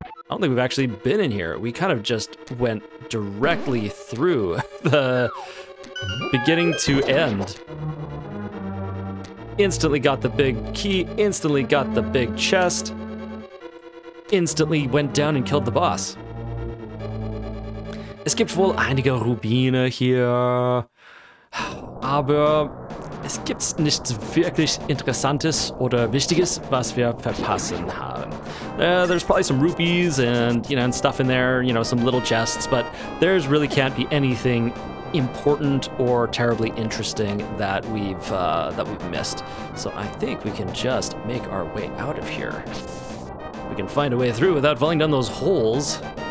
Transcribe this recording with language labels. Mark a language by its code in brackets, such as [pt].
[en] I don't think we've actually been in here. We kind of just went directly through the beginning to end. Instantly got the big key, instantly got the big chest, instantly went down and killed the boss. [de] Es gibt wohl einige Rubine hier, aber es gibt nichts wirklich Interessantes oder Wichtiges, was wir verpassen haben. [en] There's probably some rupees and, you know, and stuff in there, you know, some little chests, but there's really can't be anything important or terribly interesting that we've missed. So I think we can just make our way out of here. We can find a way through without falling down those holes.